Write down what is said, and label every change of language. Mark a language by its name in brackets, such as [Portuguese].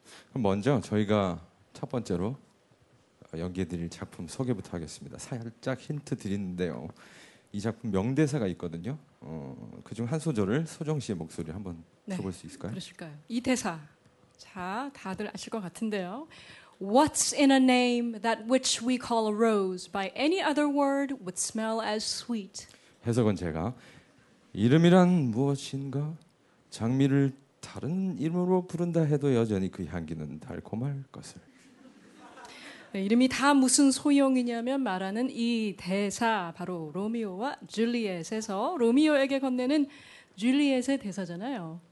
[Korean] 그럼 먼저 저희가 첫 번째로 연기해드릴 작품 소개부터 하겠습니다. 살짝 힌트 드리는데요. 이 작품 명대사가 있거든요. 그중 한 소절을 소정 씨의 목소리를 한번 네. 들어볼 수 있을까요? 그러실까요? 이 대사. 자, 다들 아실 것 같은데요. [English] What's in a name that which we call a rose by any other word would smell as sweet? [Korean] 해석은 제가 이름이란 무엇인가 장미를 다른 이름으로 부른다 해도 여전히 그 향기는 달콤할 것을. 네, 이름이 다 무슨 소용이냐면 말하는 이 대사 바로 로미오와 줄리엣에서 로미오에게 건네는 줄리엣의 대사잖아요.